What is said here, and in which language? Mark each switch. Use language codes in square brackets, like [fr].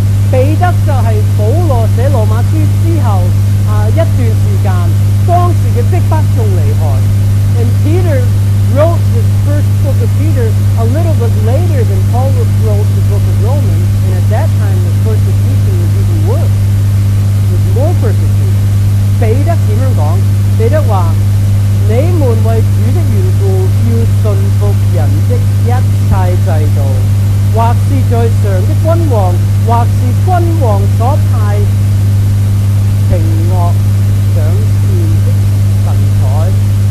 [zh] 彼得就是保罗写罗马书之后一段时间，当时的逼迫仲厉害。 [en] And Peter wrote this first book of Peter a little bit later than Paul wrote the book of Romans, and at that time the persecution was even worse. It was more persecution. [zh] 彼得怎样讲？彼得话：你们为主的缘故要顺服人的一切制度，或是在上的君王，或是君王所派平恶赏赐的神采。